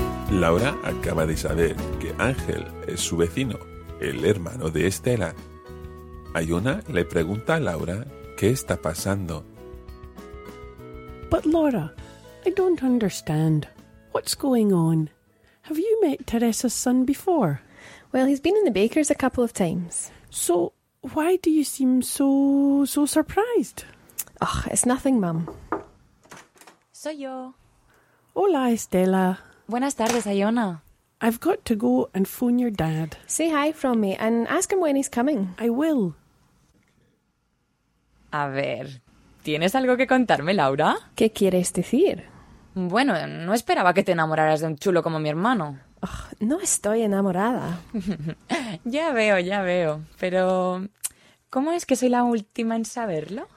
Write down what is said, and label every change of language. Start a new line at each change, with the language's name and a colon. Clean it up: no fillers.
Spanish: Laura acaba de saber que Ángel es su vecino, el hermano de Estela. Ayuna le pregunta a Laura qué está pasando.
English: But Laura, I don't understand. What's going on? Have you met Teresa's son before? Well, he's been in the baker's a couple of times. So, why do you seem so surprised? Ugh, it's nothing, Mum.
Spanish: Soy yo. Hola, Estela. Buenas tardes, Ayona.
English: I've got to go and phone your dad. Say hi from me and ask him when he's coming. I will.
Spanish: A ver, ¿tienes algo que contarme, Laura? ¿Qué quieres decir? Bueno, no esperaba que te enamoraras de un chulo como mi hermano. Oh, no estoy enamorada. Ya veo. Pero, ¿cómo es que soy la última en saberlo?